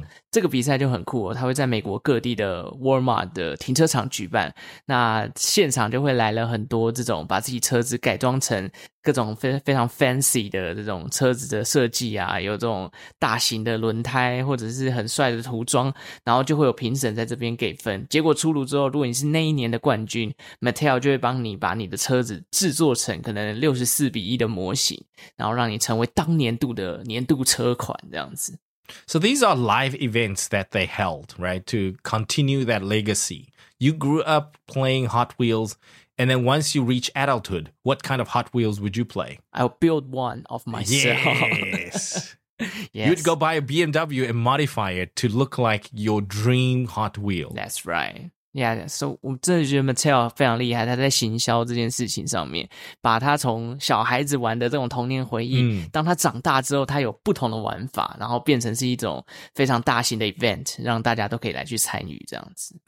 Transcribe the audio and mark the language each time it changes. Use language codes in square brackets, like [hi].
[zh] 这个比赛就很酷哦，它会在美国各地的 Walmart 的停车场举办，那现场就会来了很多这种把自己车子改装成各种非常 fancy 的这种车子的设计啊，有这种大型的轮胎或者是很帅的涂装，然后就会有评审在这边给分，结果出炉之后，如果你是那一年的冠军， Mattel 就会帮你把你的车子制作成可能64:1的模型，然后让你成为当年度的年度车款这样子。 [en] So these are live events that they held, right, to continue that legacy. You grew up playing Hot Wheels, and then once you reach adulthood, what kind of Hot Wheels would you play? I'll build one of myself. Yes. Yes. You'd go buy a BMW and modify it to look like your dream Hot Wheel. That's right. Yeah, so [zh] 我真的觉得 Mattel 非常厉害，他在行销这件事情上面，把他从小孩子玩的这种童年回忆，当他长大之后，他有不同的玩法，然后变成是一种非常大型的 event， 让大家都可以来去参与这样子。